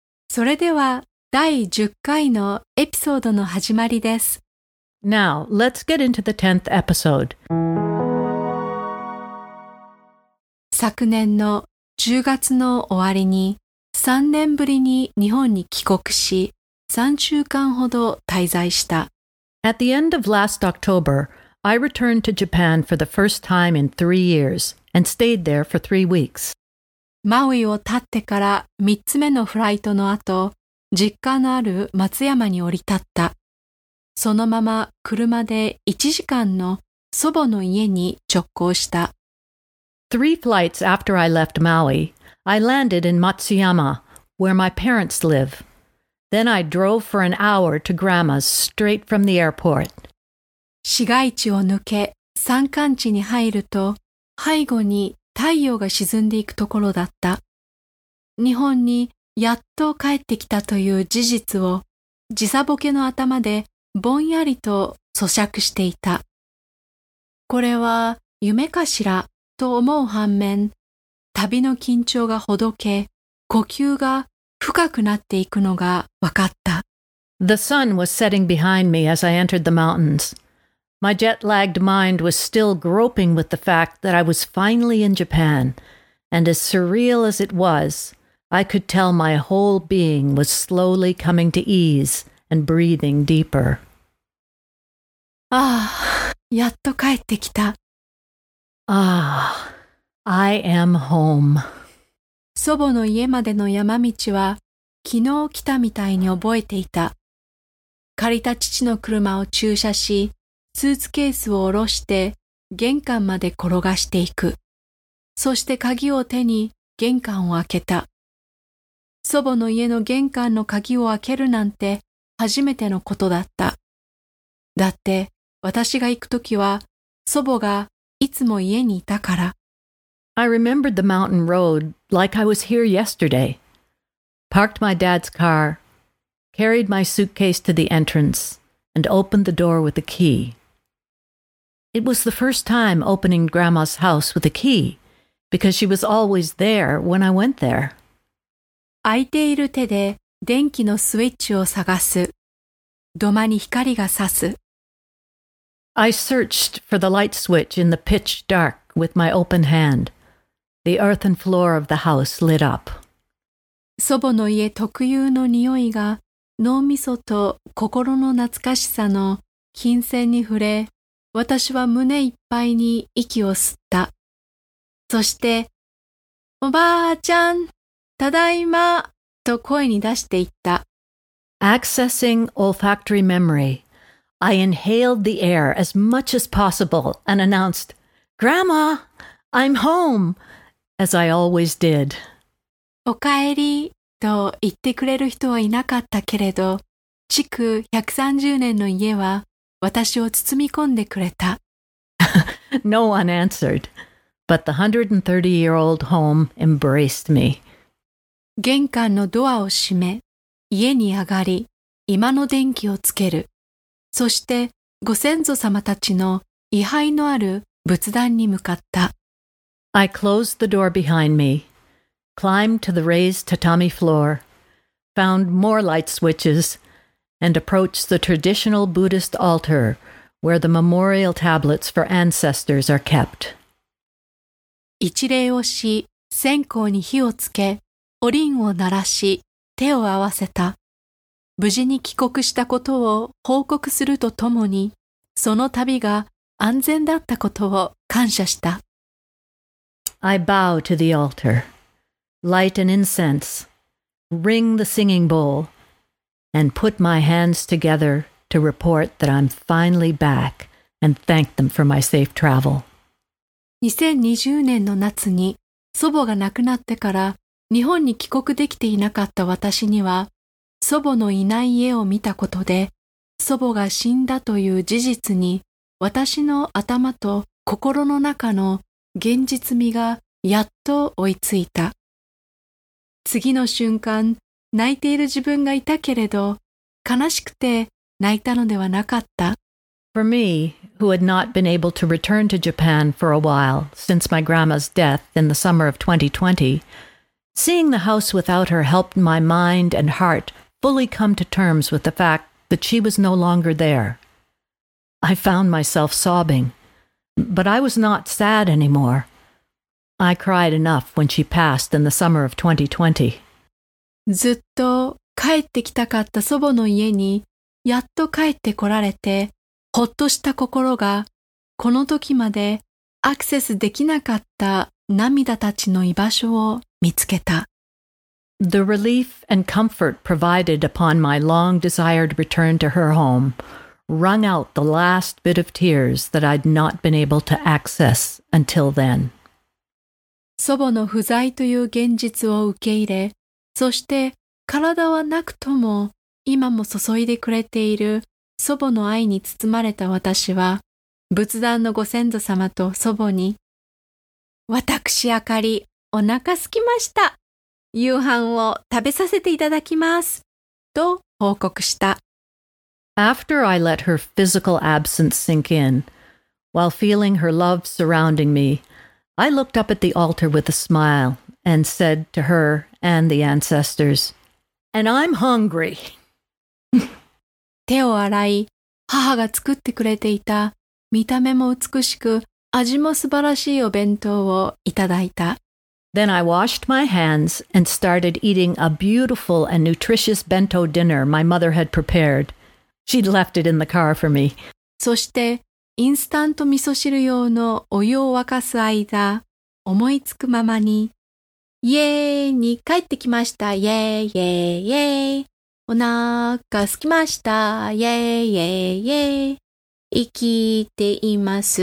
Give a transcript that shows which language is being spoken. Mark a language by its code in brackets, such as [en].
[ja] それでは第10回のエピソードの始まりです。 [en] Now, let's get into the 10th episode. [ja] 昨年の10月の終わりに3年ぶりに日本に帰国し、3週間ほど滞在した。 [en] At the end of last October, I returned to Japan for the first time in 3 years and stayed there for 3 weeks. [ja] マウイを立ってから3つ目のフライトの後、実家のある松山に降り立った。そのまま車で1時間の祖母の家に直行した。 [en] Three flights after I left Maui, I landed in Matsuyama, where my parents live. Then I drove for an hour to Grandma's straight from the airport. [ja] 市街地を抜け、山間地に入ると背後に太陽が沈んでいくところだった。日本にやっと帰ってきたという事実を時差ボケの頭でぼんやりと咀嚼していた。これは夢かしらと思う反面、旅の緊張がほどけ、呼吸が深くなっていくのが分かった。 [en] The sun was setting behind me as I entered the mountains. My jet-lagged mind was still groping with the fact that I was finally in Japan, and as surreal as it was, I could tell my whole being was slowly coming to ease and breathing deeper. [ja] Ah, やっと帰ってきた。 [en] Ah, I am home. [ja] 祖母の家までの山道は昨日来たみたいに覚えていた。借りた父の車を駐車し、スーツケースを下ろして玄関まで転がしていく。そして鍵を手に玄関を開けた。祖母の家の玄関の鍵を開けるなんて初めてのことだった。だって私が行くときは祖母がいつも家にいたから。 [en] I remembered the mountain road like I was here yesterday. Parked my dad's car. Carried my suitcase to the entrance and opened the door with a key. It was the first time opening Grandma's house with a key, because she was always there when I went there. [ja] 空いている手で電気のスイッチを探す。土間に光が差す。 [en] I searched for the light switch in the pitch dark with my open hand. The earthen floor of the house lit up. [ja] 祖母の家特有の匂いが脳みそと心の懐かしさの金線に触れ、私は胸いっぱいに息を吸った。そして、おばあちゃん、ただいま、と声に出していった。 [en] Accessing olfactory memory, I inhaled the air as much as possible and announced, Grandma, I'm home, as I always did. [ja] おかえり。と言ってくれる人はいなかったけれど、築130年の家は私を包み込んでくれた。 [en] No one answered, but the 130-year-old home embraced me. [ja] 玄関のドアを閉め、家に上がり、今の電気をつける。そしてご先祖様たちの遺灰のある仏壇に向かった。 [en] I closed the door behind me. Climbed to the raised tatami floor, found more light switches, and approached the traditional Buddhist altar where the memorial tablets for ancestors are kept. [ja] 一礼をし、線香に火をつけ、お輪を鳴らし、手を合わせた。無事に帰国したことを報告するとともに、その旅が安全だったことを感謝した。 [en] I bow to the altar. Light an incense, ring the singing bowl, and put my hands together to report that I'm finally back and thank them for my safe travel. [ja] 2020年の夏に祖母が亡くなってから日本に帰国できていなかった私には、祖母のいない家を見たことで、祖母が死んだという事実に私の頭と心の中の現実味がやっと追いついた。次の瞬間、泣いている自分がいたけれど、悲しくて泣いたのではなかった。 [en] For me, who had not been able to return to Japan for a while since my grandma's death in the summer of 2020, seeing the house without her helped my mind and heart fully come to terms with the fact that she was no longer there. I found myself sobbing, but I was not sad anymore. I cried enough when she passed in the summer of 2020. [ja] ずっと帰ってきたかった祖母の家にやっと帰ってこられて、ほっとした心がこの時までアクセスできなかった涙たちの居場所を見つけた。 [en] The relief and comfort provided upon my long desired return to her home wrung out the last bit of tears that I'd not been able to access until then. [ja] 祖母の不在という現実を受け入れ、そして体はなくとも今も注いでくれている祖母の愛に包まれた私は、仏壇のご先祖様と祖母に、私あかり、お腹すきました。夕飯を食べさせていただきます。と報告した。 [en] After I let her physical absence sink in, while feeling her love surrounding me, I looked up at the altar with a smile and said to her and the ancestors, And I'm hungry. [ja] 手を洗い、母が作ってくれていた見た目も美しく味も素晴らしいお弁当をいただいた。 [en] Then I washed my hands and started eating a beautiful and nutritious bento dinner my mother had prepared. She'd left it in the car for me. [ja] そしてインスタント味噌汁用のお湯を沸かす間、思いつくままに、イエーイに帰ってきました。イエーイイエーイイエーイ。お腹空きました。イエーイイエーイイエーイ。生きています。